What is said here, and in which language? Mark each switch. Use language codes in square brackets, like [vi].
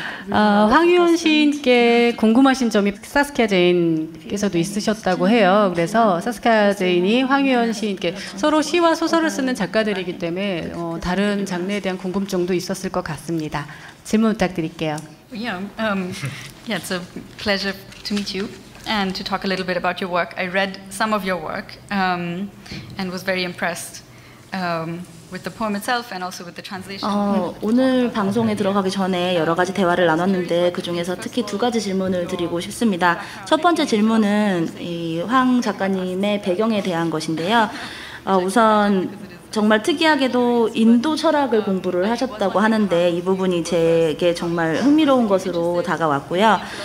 [ko] 황유현 시인께 궁금하신 점이 사스키아 제인께서도 있으셨다고 해요. 그래서 사스키아 제인이 황유현 시인께 서로 시와 소설을 쓰는 작가들이기 때문에 다른 장르에 대한 궁금증도 있었을 것 같습니다. 질문 부탁드릴게요. [en] Yeah, yeah, it's a pleasure to meet you and to talk a little bit about your work. I read some of your work and was very impressed. With the poem itself and also with the translation. [ko] 오늘 방송에 들어가기 전에 여러 가지 대화를 나눴는데 그 중에서 특히 두 가지 질문을 드리고 싶습니다. 첫 번째 질문은 이 황 작가님의 배경에 대한 것인데요. 우선 정말 특이하게도 인도 철학을 공부를 하셨다고 하는데 이 부분이 제게 정말 흥미로운 것으로 다가왔고요.